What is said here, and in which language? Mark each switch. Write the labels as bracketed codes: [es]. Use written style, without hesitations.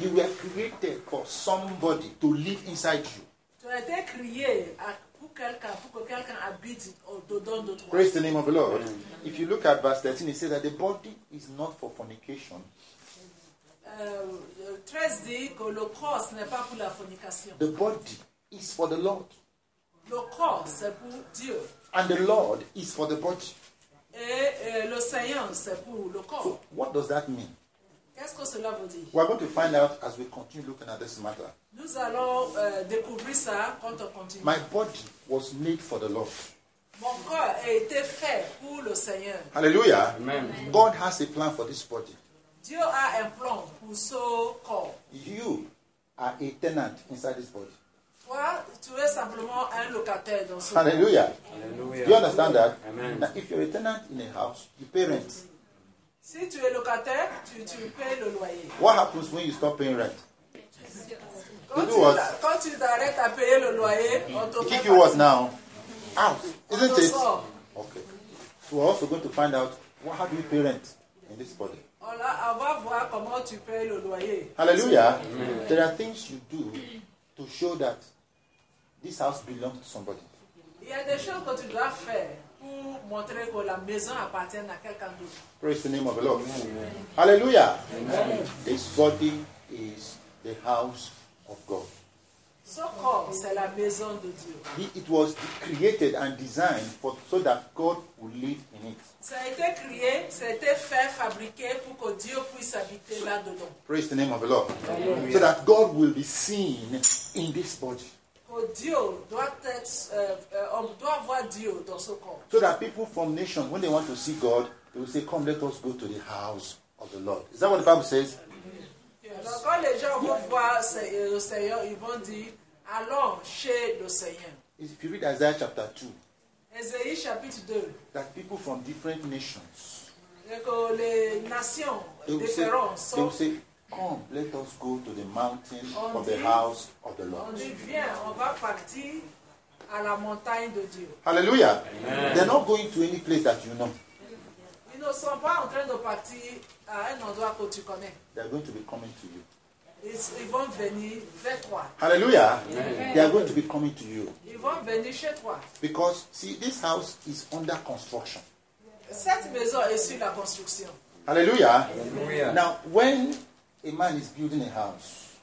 [en] You were created for somebody to live inside you. [fr] Tu as été créé pour quelqu'un, pour que quelqu'un habite au-dedans de toi. [en] Praise the name of the Lord. Amen. If you look at verse 13, it says that the body is not for fornication. [fr] 13 dit que le corps ce n'est pas pour la fornication. [en] The body is for the Lord. [fr] Le corps, c'est pour Dieu. [en] And the Lord is for the body. [fr] Et le Seigneur, c'est pour le corps. [en] So, what does that mean? [fr] Qu'est-ce que cela veut dire? [en] We're going to find out as we continue looking at this matter. [fr] Nous allons découvrir ça quand on continue. [en] My body was made for the Lord. [fr] Mon corps a été fait pour le Seigneur. [en] Hallelujah. Amen. God has a plan for this body. [fr] Dieu a un plan pour ce corps. [en] You are a tenant inside this body. [fr] Tu es simplement un locataire dans ce [en] Hallelujah. Hallelujah. Do you understand that? Amen. Now, if you're a tenant in a house, you pay rent. [fr] Si tu es locataire, tu payes le loyer. [en] What happens when you stop paying rent? [fr] Quand tu arrêtes à payer le loyer, on te [en] kick you out now. Out, isn't [fr] on [en] it? [fr] Sort. [en] Okay. So we're also going to find out how do you pay rent in this body. [fr] On va voir comment tu payes le loyer. [en] Hallelujah. Amen. There are things you do to show that this house belongs to somebody. [fr] Il y a des choses que tu dois faire pour montrer que la maison appartient à quelqu'un d'autre. [en] Praise the name of the Lord. Amen. Hallelujah. Amen. This body is the house of God. [fr] Ce corps, c'est la maison de Dieu. [en] It was created and designed for so that God would live in it. [fr] Ça a été créé, ça a été fait, fabriqué pour que Dieu puisse habiter là-dedans. [en] Praise the name of the Lord. Amen. So that God will be seen in this body. [fr] On doit voir Dieu dans ce corps. [en] So that people from nations, when they want to see God, they will say, come, let us go to the house of the Lord. Is that what the Bible says? Yes. [fr] Donc, quand les gens vont voir le Seigneur, ils vont dire, allons chez le Seigneur. [en] If you read Isaiah chapter 2, [fr] Esaïe chapitre 2, [en] that people from different nations, [fr] les nations différentes, [en] they will say, come, let us go to the mountain of the house of the Lord. [fr] On dit, viens, on va partir à la montagne de Dieu. [en] Hallelujah. Amen. They're not going to any place that you know. [fr] Ils ne sont pas en train de partir à un endroit que tu connais. [en] They are going to be coming to you. [fr] Ils vont venir vers toi. [en] Hallelujah. Amen. They are going to be coming to you. [fr] Ils vont venir chez toi. [en] Because, see, this house is under construction. [fr] Cette maison est sur la construction. [en] Hallelujah. Hallelujah. Now, when a man is building a house,